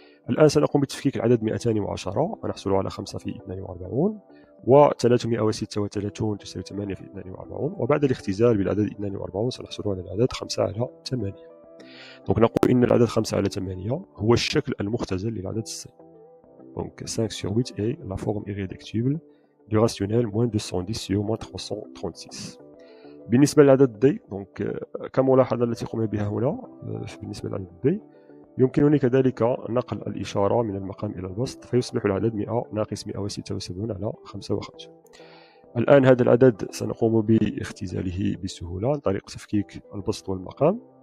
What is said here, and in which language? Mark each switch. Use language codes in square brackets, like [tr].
[ar] الآن سنقوم بتفكيك العدد 210 فنحصل على 5 في 42، و 336 تساوي 8 في 42، وبعد الاختزال بالعدد 42 سنحصل على العدد 5 على 8. دونك نقول ان العدد 5 على 8 هو الشكل المختزل للعدد السين. [fr] دونك 5 sur 8 est la forme irréductible du rationnel moins 210 sur moins 336. [ar] بالنسبه للعدد دي، دونك كملاحظه التي قمنا بها هنا بالنسبه للعدد دي، يمكنني كذلك نقل الاشاره من المقام الى البسط فيصبح العدد 100 ناقص 176 على 55. الان هذا العدد سنقوم باختزاله بسهوله عن طريق تفكيك البسط والمقام.